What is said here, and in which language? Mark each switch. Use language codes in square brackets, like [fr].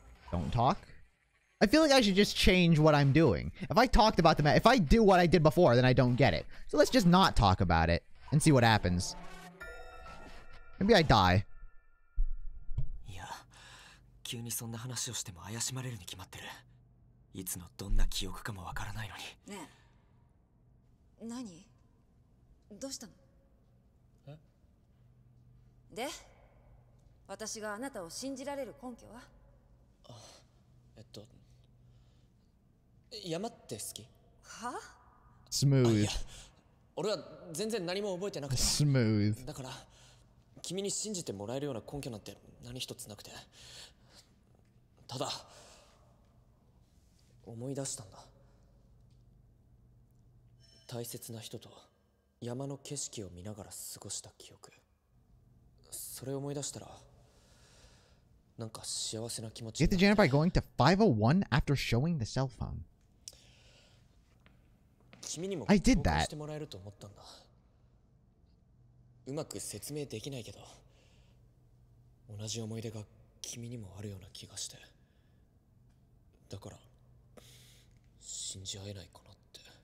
[en] Don't talk. I feel like I should just change what I'm doing. If I talked about the map, if I do what I did before, then I don't get it. So let's just not talk about it and see what happens. Maybe I die. Yeah. [ja] 急にそんな話をしても怪しまれるに決まってる。いつのどんな記憶かもわからないのに。ねえ。何？どうしたの？え？で、私があなたを信じられる根拠は？山って好き？は？スムーズ。いや、俺は全然何も覚えてなくて。スムーズ。だから、君に信じてもらえるような根拠なんて何一つなくて。ただ、思い出したんだ。大切な人と山の景色を見ながら過ごした記憶、それを思い出したらなんか幸せな気持ち。 [en] Get the janitor by going to 501 after showing the cell phone. [ja] 君にも報告してもらえると思ったんだ。うまく説明できないけど、同じ思い出が君にもあるような気がして、だから信じ合えないかなって。